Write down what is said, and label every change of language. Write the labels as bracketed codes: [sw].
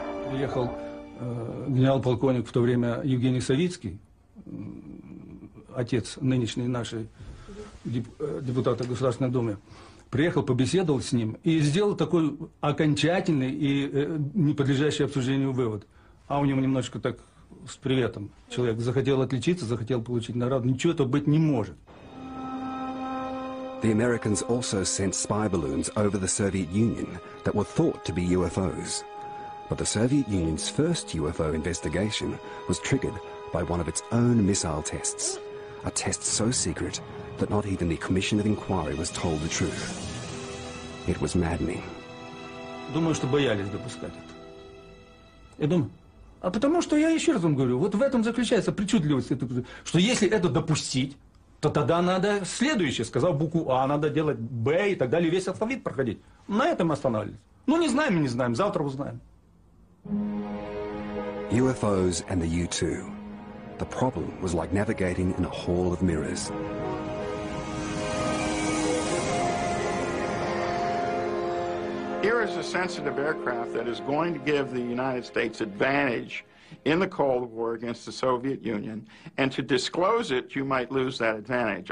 [ru] Приехал генерал-полковник в то время Евгений Савицкий, отец нынешней нашей депутата Государственной Думы. Приехал, побеседовал с ним и сделал такой окончательный и не подлежащий обсуждению вывод. А у него немножко так с приветом. Человек захотел отличиться, захотел получить награду. Ничего этого быть не может. [en] The Americans also sent spy balloons over the Soviet Union that were thought to be UFOs. But the Soviet Union's first UFO investigation was triggered by one of its own missile tests, a test so secret that not even the Commission of Inquiry was told the truth. It was maddening. [ru] Думаю, что боялись допускать это. Я думаю, а потому что я еще раз вам говорю, вот в этом заключается причудливость, что если это допустить, то тогда надо следующее, сказал букву А, надо делать Б и так далее, весь алфавит проходить. На этом останавливались. Ну, не знаем, не знаем, завтра узнаем. [en] UFOs and the U-2. The problem was like navigating in a hall of mirrors. Here is a sensitive aircraft that is going to give the United States advantage in the Cold War against the Soviet Union, and to disclose it, you might lose that advantage.